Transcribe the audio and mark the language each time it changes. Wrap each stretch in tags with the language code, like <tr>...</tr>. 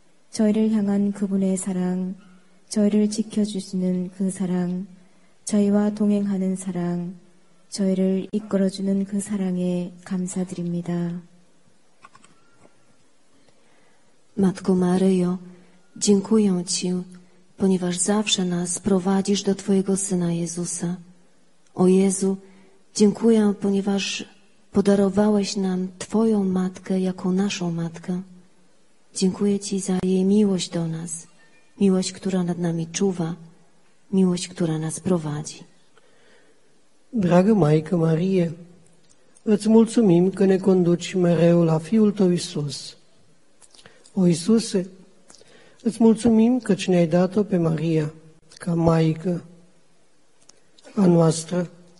<ko>저희를 향한 그분의 사랑, 저희를 지켜주시는 그 사랑, 저희와 동행하는 사랑, 저희를 이끌어주는 그 사랑에 감사드립니다.</ko> <pl>Matko Maryjo, dziękuję Ci, ponieważ zawsze nas prowadzisz do Twojego Syna Jezusa. O Jezu, dziękuję, ponieważ podarowałeś nam Twoją matkę jako naszą matkę. Dziękuję Ci za jej miłość do nas, miłość, która nad nami czuwa, miłość, która nas prowadzi.</pl> <ro>Drage Maică Marie, îți mulțumim că ne conduci mereu la Fiul Tău Iisus. O Iisuse, îți mulțumim că ce ne-ai dat-o pe Maria ca maică a noastră.</ro>